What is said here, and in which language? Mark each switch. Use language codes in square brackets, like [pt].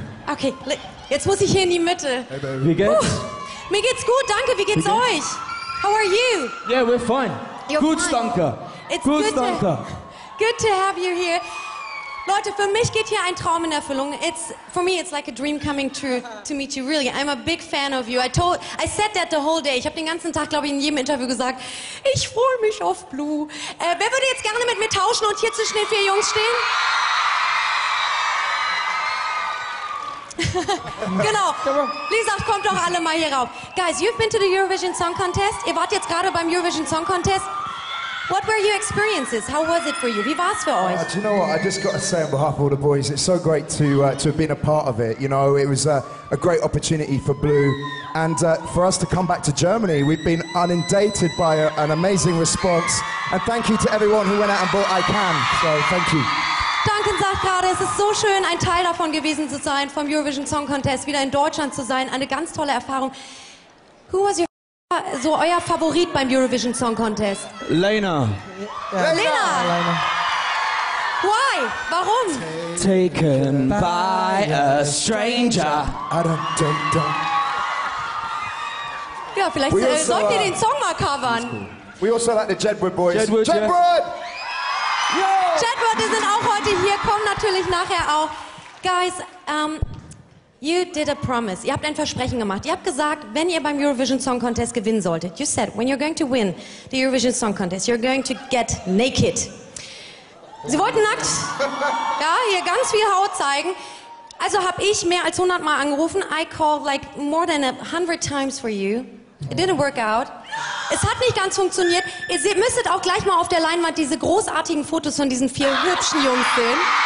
[de] Okay, jetzt muss ich hier in die Mitte. Wie geht's? Mir geht's gut, danke. Wie geht's euch? [en] How are you? Yeah, we're fine. You're [de] gut, [en] fine. [de] Danke. [en] It's [de] gut, [en] good, [de] danke. [en] Good to have you here. [de] Leute, für mich geht hier ein Traum in Erfüllung. [en] It's for me, it's like a dream coming true to meet you. Really, I'm a big fan of you. I said that the whole day. [de] Ich habe den ganzen Tag, glaube ich, in jedem Interview gesagt, ich freue mich auf Blue. Wer würde jetzt gerne mit mir tauschen und hier zwischen den vier Jungs stehen? Genau. Lisa, kommt doch alle mal hier rauf. [en] Guys, you've been to the Eurovision Song Contest. [de] Ihr wart jetzt gerade beim Eurovision Song Contest. [en] What were your experiences? How was it for you? [de] Wie war's für euch? [en] Do you know what? I just got to say on behalf of all the boys, it's so great to have been a part of it. You know, it was a great opportunity for Blue. And for us to come back to Germany, we've been inundated by an amazing response. And thank you to everyone who went out and bought I Can. So, thank you. [de] Duncan sagt gerade, es ist so schön, ein Teil davon gewesen zu sein, vom Eurovision Song Contest, wieder in Deutschland zu sein. Eine ganz tolle Erfahrung. [en] Who was [de] euer Favorit beim Eurovision Song Contest? Lena. Lena. Lena. [en] Why? [de] Warum? [en] Taken by a stranger. I don't. [de] Ja, vielleicht sollt ihr den Song mal covern. [en] Cool. We also like the Jedward boys. Jedward! [de] Chadwood, die sind auch heute hier, kommen natürlich nachher auch. [en] Guys, You did a promise. [de] Ihr habt ein Versprechen gemacht. Ihr habt gesagt, wenn ihr beim Eurovision Song Contest gewinnen solltet, [en] you said, when you're going to win the Eurovision Song Contest, you're going to get naked. [de] Sie wollten nackt, ja, hier ganz viel Haut zeigen. Also habe ich mehr als 100 Mal angerufen. [en] I called like more than 100 times for you. It didn't work out. [de] Es hat nicht ganz funktioniert. Ihr müsstet auch gleich mal auf der Leinwand diese großartigen Fotos von diesen vier hübschen Jungs sehen.